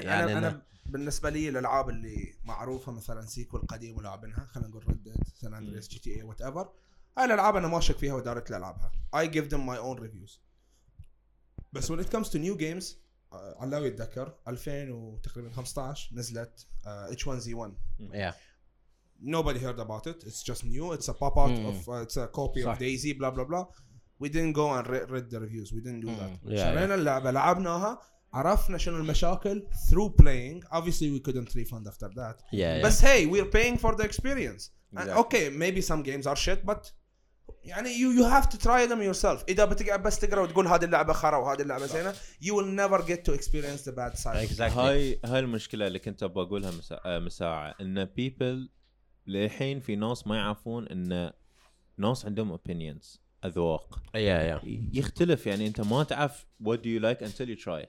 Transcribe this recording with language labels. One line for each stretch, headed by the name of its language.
Arabic: يعني انا بالنسبه لي الالعاب اللي معروفه مثلا سيكول قديم ولعبنها خلينا نقول ريد ديد سان اندريس جي تي اي وات ايفر هاي الالعاب انا ما اشك فيها ودارت العبها
English: اي جيف ذم ماي اون ريفيوز بس وين ات كمز تو نيو جيمز
Arabic: علاوي يتذكر 2015 نزلت اتش 1 زي 1
English: Nobody heard about it. It's just new. It's a pop out of it's a copy of Daisy. Blah blah blah. We didn't go and read the reviews. We didn't do that.
Arabic: شرينا اللعبة لعبناها عرفنا شنو المشاكل
English: through playing. Obviously we couldn't refund after that. Yeah. But hey, we're paying for the experience. Exactly. Okay, maybe some games are shit, but
Arabic: يعني
English: you have to try them yourself.
Arabic: إذا بتقع بس تقرأ وتقول هذه اللعبة خرا وهذه اللعبة زينة,
English: you will never get to experience the bad side. Exactly.
Arabic: هاي المشكلة اللي كنت بقولها مساعة إن people للحين في ناس ما يعرفون ان ناس عندهم opinions اذواق يختلف يعني انت ما تعرف
English: what do you like until you try